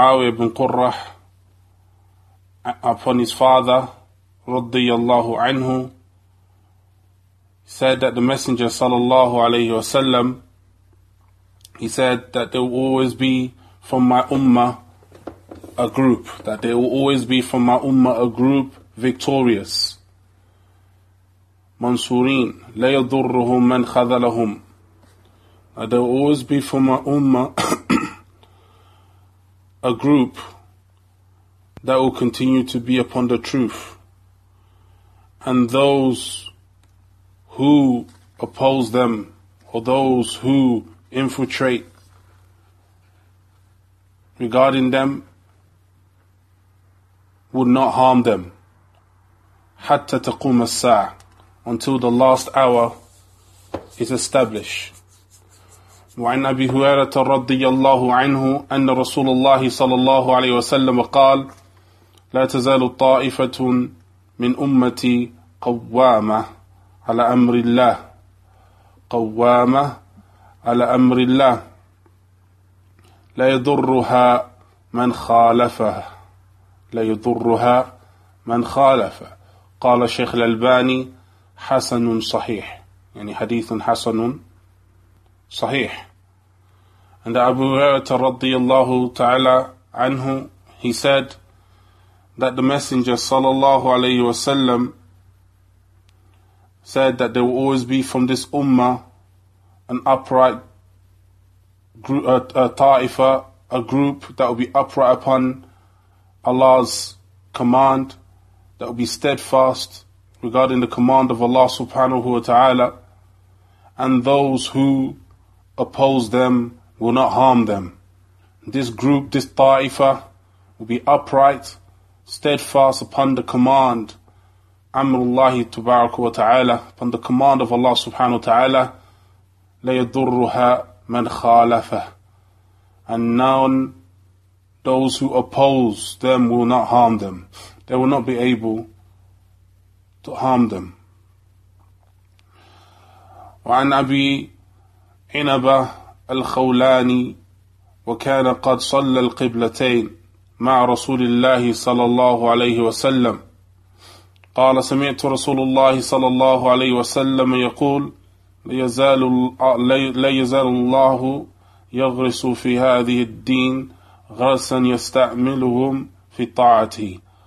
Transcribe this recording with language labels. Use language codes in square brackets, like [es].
[en] بن قره upon his father رضي الله عنه said that the Messenger sallallahu alayhi wasallam, he said that there will always be from my ummah a group, that there will always be from my ummah a group victorious. [ar] Mansurin, لا يضرهم من خذلهم. [en] That there will always be from my ummah a group that will continue to be upon the truth. And those who oppose them, or those who infiltrate regarding them, would not harm them. [ar] حتى تقوم الساعة, [en] until the last hour is established. [ar] وعن أبي هريرة رضي الله عنه أن رسول الله صلى الله عليه وسلم قال: لا تزال طائفة من أمتي قوامة على أمر الله, قوامة على أمر الله, لا يضرها من خالفها, لا يضرها من خالفها. قال شيخ الألباني: حسن صحيح. يعني حديث حسن صحيح. [en] And Abu Huraira [ar] رضي الله تعالى عنه, [en] he said that the Messenger [ar] صلى الله عليه وسلم [en] said that there will always be from this ummah an upright group, a ta'ifa, a group that will be upright upon Allah's command, that will be steadfast regarding the command of Allah subhanahu wa ta'ala, and those who oppose them will not harm them. This group, this ta'ifa, will be upright, steadfast upon the command [ar] أمر الله تبارك وتعالى, [en] upon the command of Allah subhanahu wa ta'ala, [ar] لا يضرها من خالفه, [en] and none, those who oppose them will not harm them. They will not be able to harm them. [ar] وعن أبي عنبة الخولاني وكان قد صلى القبلتين مع رسول الله صلى الله عليه وسلم قال: سمعت رسول الله صلى الله عليه وسلم يقول: لا يزال الله يغرس في هذه الدين غرسا يستعملهم في طاعته.